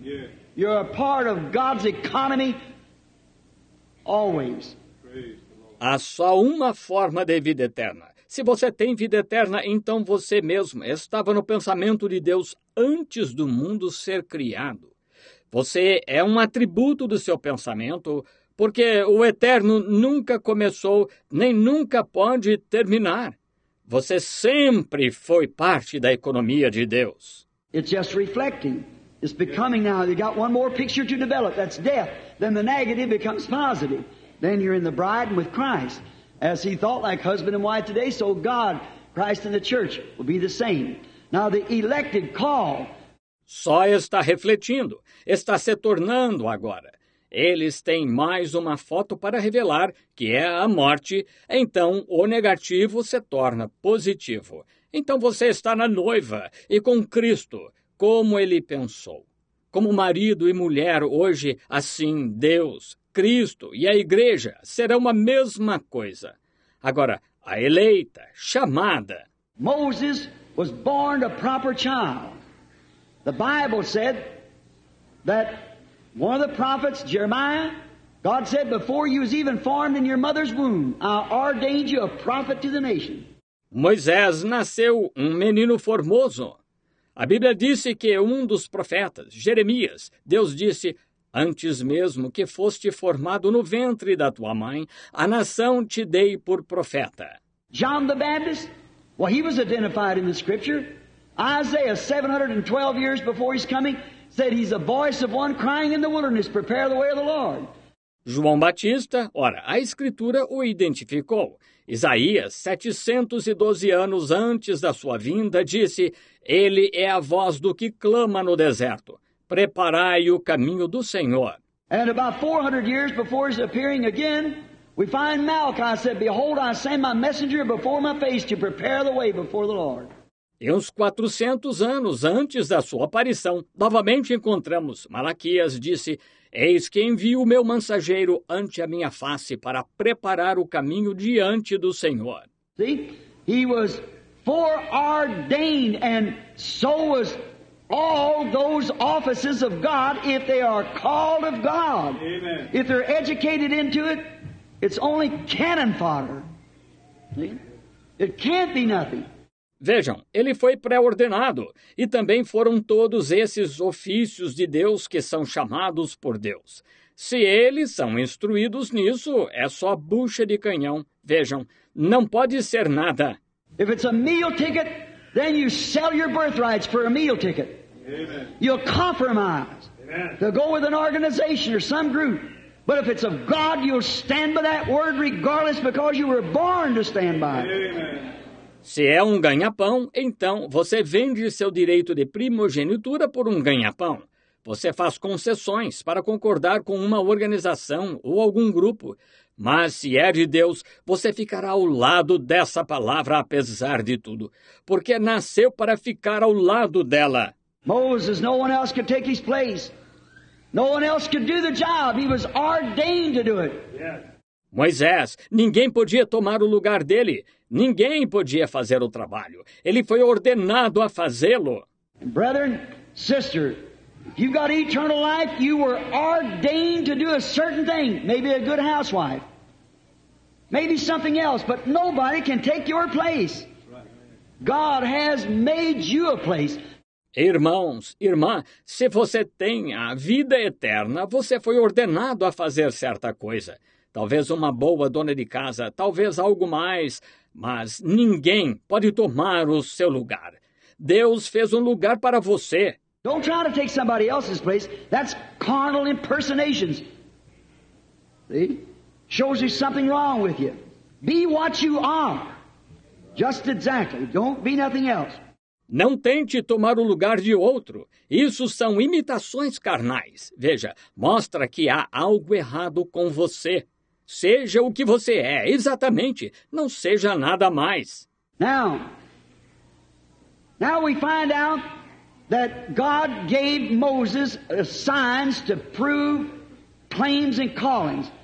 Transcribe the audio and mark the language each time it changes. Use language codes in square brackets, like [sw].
[en] Yeah. You're a part of God's economy always. Há só uma forma de vida eterna. Se você tem vida eterna, então você mesmo estava no pensamento de Deus antes do mundo ser criado. Você é um atributo do seu pensamento, porque o eterno nunca começou, nem nunca pode terminar. Você sempre foi parte da economia de Deus. It's just reflecting. It's becoming now. You got one more picture to develop. That's death. Then the negative becomes positive. Then you're in the bride and with Christ. As he thought like husband and wife today, so God, Christ and the church will be the same. Now the elected call. [pt] Só está refletindo, está se tornando agora. Eles têm mais uma foto para revelar, que é a morte. Então, o negativo se torna positivo. Então, você está na noiva e com Cristo, como ele pensou. Como marido e mulher hoje, assim, Deus, Cristo e a igreja serão uma mesma coisa. Agora, a eleita, chamada. [en] Moses was born a proper child. The Bible said that one of the prophets, Jeremiah, God said, before you was even formed in your mother's womb, I ordained you a prophet to the nation. [pt] Moisés nasceu um menino formoso. A Bíblia disse que um dos profetas, Jeremias, Deus disse, antes mesmo que foste formado no ventre da tua mãe, a nação te dei por profeta. [en] John the Baptist, well, he was identified in the scripture. Isaiah, 712 years before his coming, said he's a voice of one crying in the wilderness, prepare the way of the Lord. [pt] João Batista, ora, a Escritura o identificou. Isaías, 712 anos antes da sua vinda, disse, ele é a voz do que clama no deserto. Preparai o caminho do Senhor. [en] And about 400 years before his appearing again, we find Malachi said, behold, I send my messenger before my face to prepare the way before the Lord. [pt] E uns 400 anos antes da sua aparição, novamente encontramos, Malaquias disse, eis que envio o meu mensageiro ante a minha face para preparar o caminho diante do Senhor. [en] See, he was foreordained, and so was all those offices of God, if they are called of God. Amen. If they're educated into it, it's only cannon fodder. See? It can't be nothing. [pt] Vejam, ele foi pré-ordenado, e também foram todos esses ofícios de Deus que são chamados por Deus. Se eles são instruídos nisso, é só bucha de canhão. Vejam, não pode ser nada. [en] If it's a meal ticket, then you sell your birthrights for a meal ticket. Amen. You'll compromise. Amen. To go with an organization or some group. But if it's of God, you'll stand by that word regardless, because you were born to stand by it. Amen. [pt] Se é um ganha-pão, então você vende seu direito de primogenitura por um ganha-pão. Você faz concessões para concordar com uma organização ou algum grupo. Mas se é de Deus, você ficará ao lado dessa palavra apesar de tudo, porque nasceu para ficar ao lado dela. [en] Moses, no one else could take his place. No one else could do the job. He was ordained to do it. Yeah. [pt] Moisés, ninguém podia tomar o lugar dele. Ninguém podia fazer o trabalho. Ele foi ordenado a fazê-lo. [en] Brethren, sister, if you've got eternal life, you were ordained to do a certain thing. Maybe a good housewife. Maybe something else, but nobody can take your place. God has made you a place. [pt] Irmãos, irmã, se você tem a vida eterna, você foi ordenado a fazer certa coisa. Talvez uma boa dona de casa, talvez algo mais, mas ninguém pode tomar o seu lugar. Deus fez um lugar para você. [en] Don't try to take somebody else's place. That's carnal impersonations. See? Shows you something wrong with you. Be what you are. Just exactly. Don't be nothing else. [pt] Não tente tomar o lugar de outro. Isso são imitações carnais. Veja, mostra que há algo errado com você. Seja o que você é, exatamente. Não seja nada mais. [en] Now we find out that God gave Moses signs to prove claims and callings.